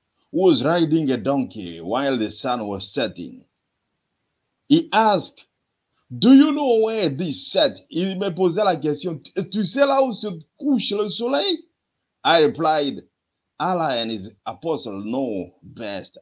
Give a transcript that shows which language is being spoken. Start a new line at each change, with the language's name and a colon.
English: He was riding a donkey while the sun was setting. He asked, do you know where this set?
French: Il me posait la question, tu sais là où se couche le soleil?
English: I replied, Allah and his apostle know best.